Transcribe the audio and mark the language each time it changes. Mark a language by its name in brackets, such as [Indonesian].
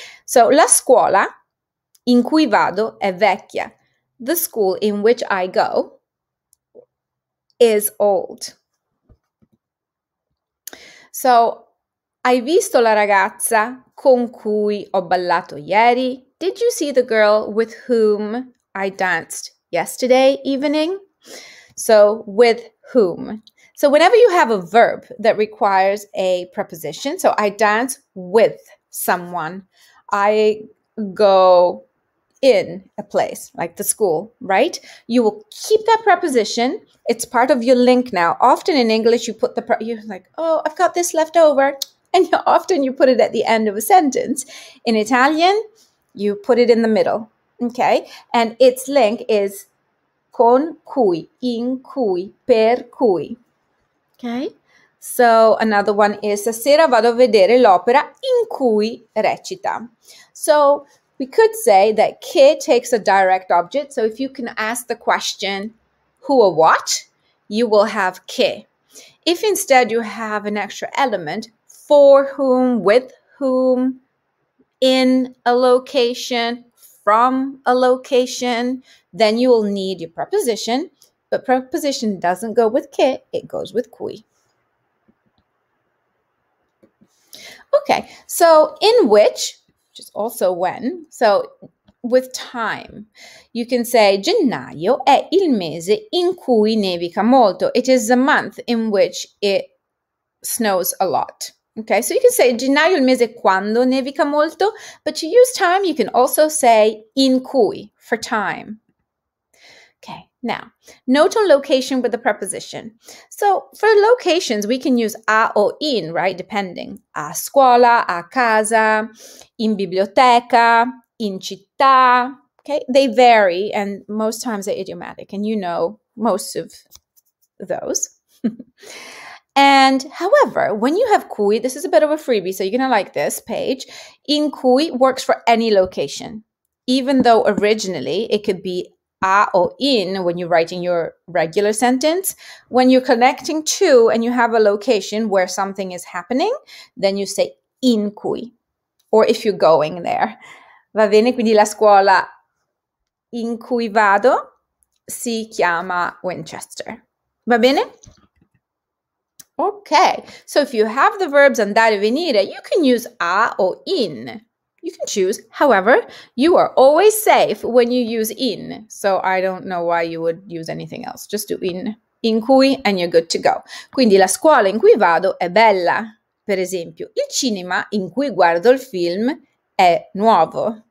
[Italian] So la scuola in cui vado è vecchia. [English] The school in which I go is old. [Italian] So hai visto la ragazza con cui ho ballato ieri? [English] Did you see the girl with whom I danced yesterday evening? So, with whom. So, whenever you have a verb that requires a preposition, so I dance with someone, I go in a place, like the school, right? You will keep that preposition. It's part of your link now. Often in English, you put the, you're like, oh, I've got this left over. And often you put it at the end of a sentence. In Italian, you put it in the middle, okay? And its link is [Italian] con cui, in cui, per cui, [English] okay? So another one is, [Italian] stasera vado a vedere l'opera in cui recita. [English] So we could say that che takes a direct object. So if you can ask the question, who or what, you will have che. If instead you have an extra element, for whom, with whom, in a location, from a location, then you will need your preposition. But preposition doesn't go with che, it goes with cui. Okay, so in which, which is also when, so with time, you can say [Italian] gennaio è il mese in cui nevica molto. [English] It is the month in which it snows a lot. Okay, so you can say [Italian] gennaio il mese quando nevica molto, [English] but to use time, you can also say in cui, for time. Okay, now, note on location with the preposition. So for locations, we can use a or in, right, depending. [Italian] A scuola, a casa, in biblioteca, in città. [English] Okay, they vary, and most times they're idiomatic, and you know most of those. And however, when you have cui, this is a bit of a freebie, so you're going to like this page. In cui works for any location, even though originally it could be a or in when you're writing your regular sentence. When you're connecting to and you have a location where something is happening, then you say in cui, or if you're going there. [Italian] Va bene, quindi la scuola in cui vado si chiama Winchester. Va bene? [English] Okay, so if you have the verbs [Italian] andare e venire, [English] you can use a or in. You can choose. However, you are always safe when you use in. So I don't know why you would use anything else. Just do in. In cui, and you're good to go. [Italian] Quindi la scuola in cui vado è bella. Per esempio, il cinema in cui guardo il film è nuovo.